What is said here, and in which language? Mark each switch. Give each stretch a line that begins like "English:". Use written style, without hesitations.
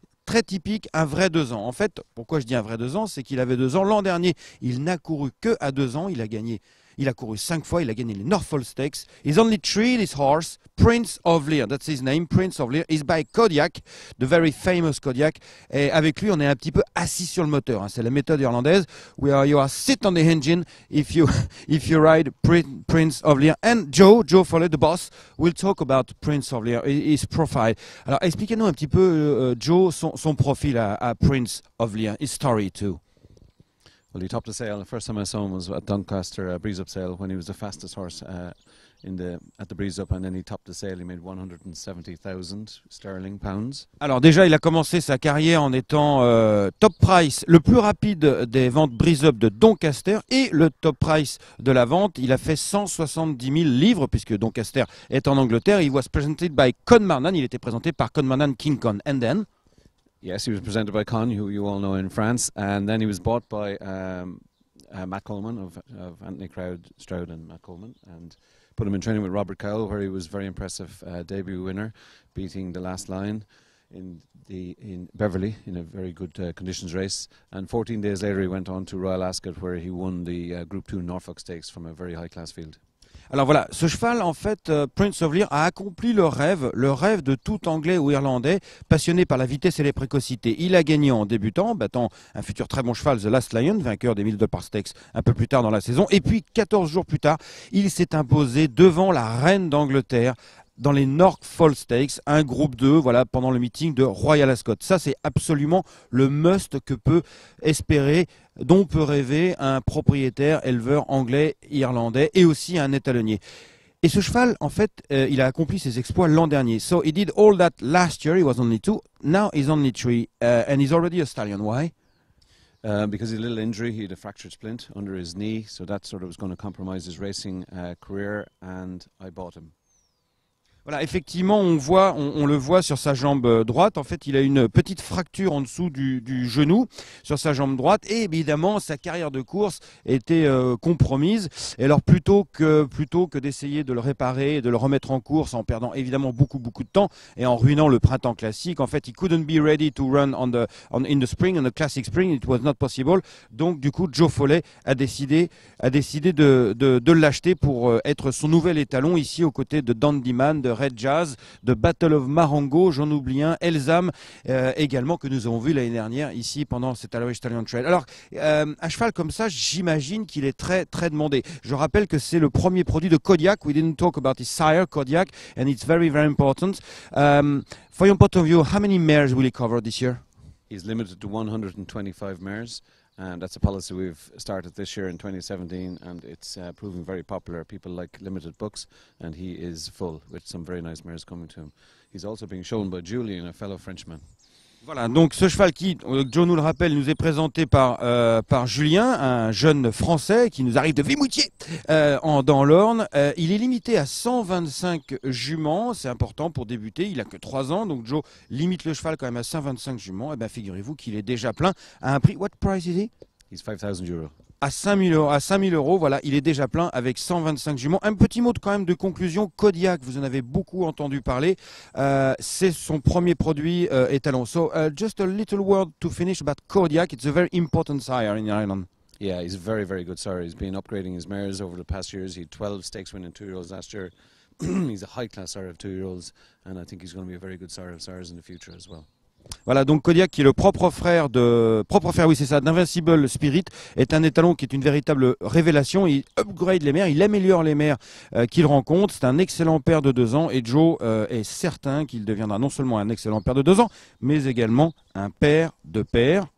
French: Très typique, un vrai 2 ans. En fait, pourquoi je dis un vrai 2 ans, c'est qu'il avait 2 ans. L'an dernier, il n'a couru que à 2 ans, il a gagné. Il a couru 5 fois, il a gagné les Norfolk Stakes.
English: He's only 3, this horse, Prince of Lear. That's his name, Prince of Lear. He's by Kodiak, the very famous Kodiak.
French: Et avec lui, on est un petit peu assis sur le moteur. C'est la méthode irlandaise.
English: You are sit on the engine if you ride Prince of Lear. And Joe Foley, the boss, will talk about Prince of Lear, his profile.
French: Alors, expliquez-nous un petit peu, Joe, son profil à Prince of Lear,
English: his story too. Well, he topped the sale. The first time I saw him was at Doncaster Breeze Up sale when he was the fastest horse at the Breeze Up, and then he topped the sale. He made 170,000 sterling pounds.
French: Alors déjà, il a commencé sa carrière en étant top price, le plus rapide des ventes Breeze Up de Doncaster, et le top price de la vente. Il a fait 170 000 livres puisque Doncaster est en Angleterre. Il
English: was presented by Conmarnan.
French: Il était présenté par Conmarnan King Con, and then.
English: Yes, he was presented by Con, who you all know in France, and then he was bought by Matt Coleman of Anthony Crowd, Stroud and Matt Coleman, and put him in training with Robert Cowell, where he was very impressive debut winner, beating the last lion in Beverly in a very good conditions race. And 14 days later, he went on to Royal Ascot, where he won the Group 2 Norfolk Stakes from a very high class field.
French: Alors voilà, ce cheval, en fait, Prince of Lear a accompli le rêve de tout Anglais ou Irlandais passionné par la vitesse et les précocités. Il a gagné en débutant, battant un futur très bon cheval, The Last Lion, vainqueur des 1000 Dollar Stakes un peu plus tard dans la saison. Et puis, 14 jours plus tard, il s'est imposé devant la reine d'Angleterre dans les Norfolk Stakes, un groupe 2, voilà, pendant le meeting de Royal Ascot. Ça, c'est absolument le must que peut espérer, dont peut rêver un propriétaire éleveur anglais, irlandais et aussi un étalonnier. Et ce cheval, en fait, il a accompli ses exploits l'an dernier.
English: So he did all that last year, he was only 2, now he's only 3, and he's already a stallion. Why? Because he had a little injury, he had a fractured splint under his knee, so that sort of was going to compromise his racing career, and I bought him.
French: Voilà, effectivement, on le voit sur sa jambe droite. En fait, il a une petite fracture en dessous du genou sur sa jambe droite. Et évidemment, sa carrière de course était compromise. Et alors, plutôt que d'essayer de le réparer et de le remettre en course en perdant évidemment beaucoup, beaucoup de temps et en ruinant le printemps classique, en fait,
English: he couldn't be ready to run in the classic spring. It was not possible.
French: Donc, du coup, Joe Foley a décidé de l'acheter pour être son nouvel étalon ici aux côtés de Dandy Man, de Red Jazz, de Battle of Marengo, j'en oublie un, Elzam également, que nous avons vu l'année dernière ici pendant cette Irish Stallion Trail. Alors, un cheval comme ça, j'imagine qu'il est très très demandé. Je rappelle que c'est le premier produit de Kodiak.
English: We didn't talk about his sire, Kodiak, and it's very very important. For your point of view, how many mares will he cover this year? He's limited to 125 mares. And that's a policy we've started this year in 2017, and it's proving very popular. People like limited books, and he is full, with some very nice mares coming to him. He's also being shown by Julian, a fellow Frenchman.
French: Voilà, donc ce cheval qui, Joe nous le rappelle, nous est présenté par Julien, un jeune Français qui nous arrive de Vimoutiers dans l'Orne. Il est limité à 125 juments, c'est important pour débuter, il n'a que 3 ans, donc Joe limite le cheval quand même à 125 juments. Et bien figurez-vous qu'il est déjà plein à un prix,
English: what price is he? He's 5,000 euros.
French: À 5 000 euros, voilà, il est déjà plein avec 125 juments. Un petit mot quand même de conclusion, Kodiak, vous en avez beaucoup entendu parler, c'est son premier produit étalon.
English: So, just a little word to finish about Kodiak, it's a very important sire in Ireland. Yeah, he's a very, very good sire. He's been upgrading his mares over the past years. He had 12 stakes winning 2-year-olds last year. He's a high-class sire of 2-year-olds, and I think he's going to be a very good sire of sires in the future as well.
French: Voilà, donc Kodiak, qui est le propre frère, d'Invincible Spirit, est un étalon qui est une véritable révélation. Il upgrade les mères, il améliore les mères qu'il rencontre. C'est un excellent père de 2 ans et Joe est certain qu'il deviendra non seulement un excellent père de 2 ans, mais également un père de pères.